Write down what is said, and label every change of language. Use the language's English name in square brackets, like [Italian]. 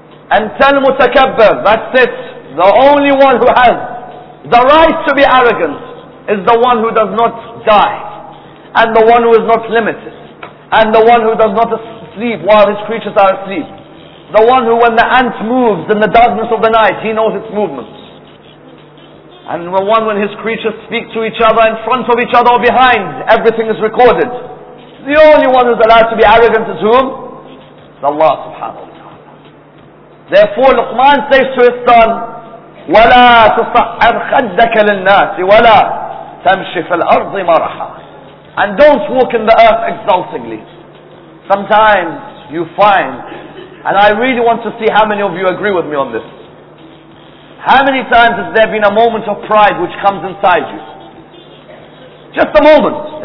[English] And tell mutakabbir, that's it. The only one who has the right to be arrogant is the one who does not die, and the one who is not limited, and the one who does not sleep while his creatures are asleep, the one who, when the ant moves in the darkness of the night, he knows its movements, and the one when his creatures speak to each other in front of each other or behind, everything is recorded. The only one who is allowed to be arrogant is whom? It's Allah subhanahu wa ta'ala. Therefore Luqman says to his son, [Arabic] وَلَا تُصَعَّرْ خَدَّكَ لِلنَّاسِ وَلَا تَمْشِ فِي الْأَرْضِ مَرَحًا. [English] And don't walk in the earth exultingly. Sometimes you find, and I really want to see how many of you agree with me on this. How many times has there been a moment of pride which comes inside you? Just a moment.